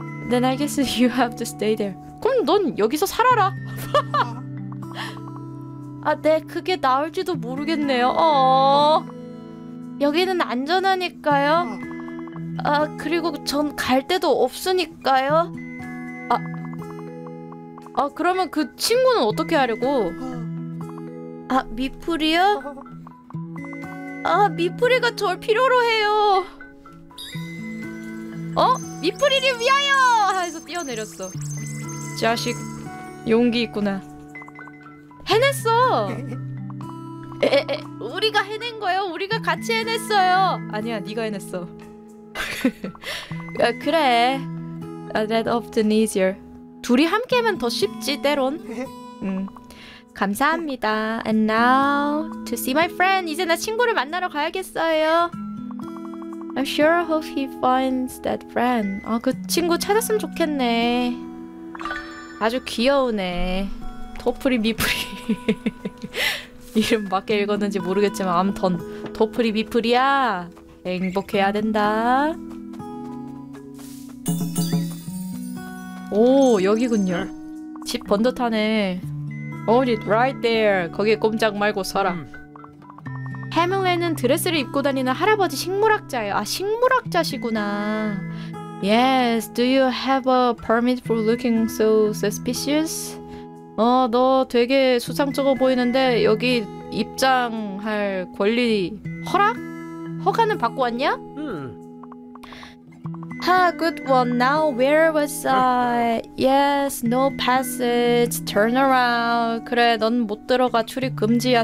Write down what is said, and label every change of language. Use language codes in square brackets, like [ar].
[en] Then I guess you have to stay there. [ko] 그럼 넌 여기서 살아라. 아, 네, 그게 나을지도 모르겠네요. 여기는 안전하니까요. 아, 그리고 전 갈 데도 없으니까요. 아, 그러면 그 친구는 어떻게 하려고? 아, 미프리요? 아, 미프리가 절 필요로 해요. 어? 미프리를 위하여! 해서 뛰어내렸어. 자식, 용기 있구나. 해냈어! 우리가 해낸 거예요. 우리가 같이 해냈어요. 아니야, 네가 해냈어. 아, 그래. [en] That often easier. [ko] 둘이 함께면 더 쉽지 때론. 감사합니다. [en] And now to see my friend. [ko] 이제 나 친구를 만나러 가야겠어요. [en] I'm sure I hope he finds that friend. [ko] 아, 그 친구 찾았으면 좋겠네. 아주 귀여우네. 토프리 미프리. 이름 맞게 읽었는지 모르겠지만 아무튼 토프리 미프리야. 행복해야 된다. 오 여기군요. 집 번듯하네. [en] Own it right there. [ko] 거기에 꼼짝 말고 서라. 해밀레는 드레스를 입고 다니는 할아버지 식물학자예요. 아 식물학자시구나. Yes. [en] Do you have a permit for looking so suspicious? [ko] 너 되게 수상쩍어 보이는데 여기 입장할 권리 허락? 허가는 받고 왔냐? [en] Ha, good one. Now where was I? Yes, no passage. Turn around. [ko] 그래, 넌 못 들어가. 출입 금지야.